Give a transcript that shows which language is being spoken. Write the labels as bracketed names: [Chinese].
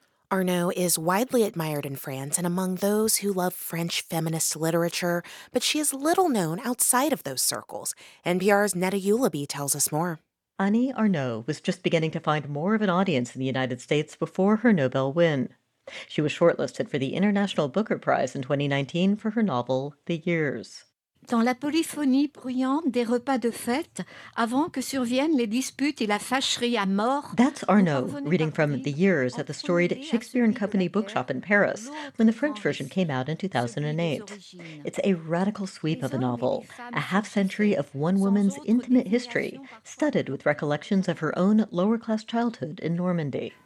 [English] Arnaud is widely admired in France and among those who love French feminist literature, but she is little known outside of those circles. NPR's Netta Ulaby tells us more. Annie Arnaud was just beginning to find more of an audience in the United States before her Nobel win. She was shortlisted for the International Booker Prize in 2019 for her novel, The Years. [French] Dans la polyphonie bruyante des repas de fête, avant que surviennent les disputes et la fâcherie à mort. [English] That's Arnaud reading from The Years at the storied Shakespeare and Company bookshop in Paris when the French version came out in 2008. It's a radical sweep of a novel, a half century of one woman's intimate history, studded with recollections of her own lower class childhood in Normandy.